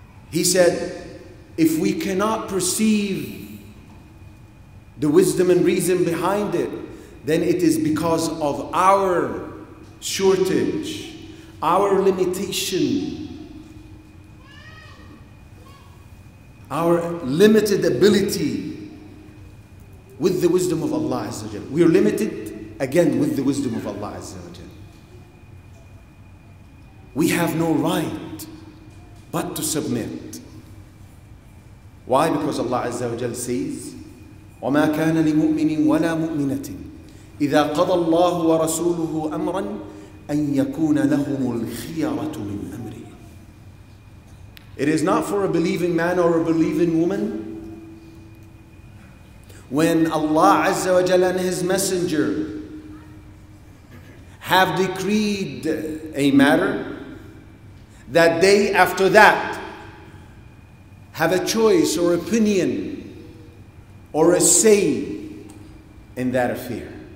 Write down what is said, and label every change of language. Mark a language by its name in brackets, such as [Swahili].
[English] He said, if we cannot perceive the wisdom and reason behind it, then it is because of our shortage, our limitation, our limited ability with the wisdom of Allah Azza wa Jalla. We are limited again with the wisdom of Allah Azza wa Jalla. We have no right but to submit. Why? Because Allah Azza wa Jalla says, [Arabic] وَمَا كَانَ لِمُؤْمِنٍ وَلَا مُؤْمِنَةٍ إِذَا قَضَى اللَّهُ وَرَسُولُهُ أَمْرًا أَنْ يَكُونَ لَهُمُ الْخِيَرَةُ مِنْ أَمْرِهِ. [English] It is not for a believing man or a believing woman when Allah Azza wa Jalla and His Messenger have decreed a matter that they after that have a choice or opinion or a say in that affair.